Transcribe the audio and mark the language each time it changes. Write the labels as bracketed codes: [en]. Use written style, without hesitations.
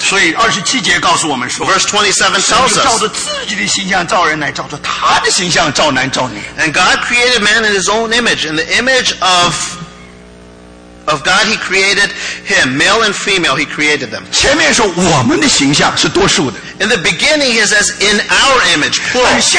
[zh] 所以二十七节告诉我们说 [en] ，Verse 27 tells us， [zh] 神就照着自己的形象造人来，照着他的形象造男造女。 [en] And God created man in His own image, in the image of God He created him, male and female He created them. [zh] 前面说我们的形象是多数的。 [en] In the beginning, he says, in our image, plural.